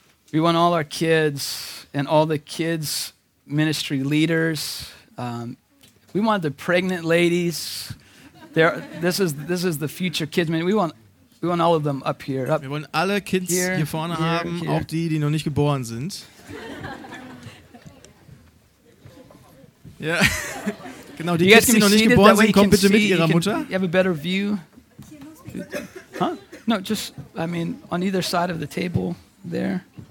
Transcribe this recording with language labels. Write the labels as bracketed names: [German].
[English] We want all our kids and all the kids ministry leaders. We want the pregnant ladies. This is the future kids ministry. We want all of them up here. Up [German] wir wollen alle Kids here, hier vorne here, haben, here. Auch die, die noch nicht geboren sind. Ja. Genau, die Kids, die noch nicht geboren sind, kommen bitte mit ihrer Mutter. [English] You have a better view. Huh? No, just, I mean, on either side of the table there.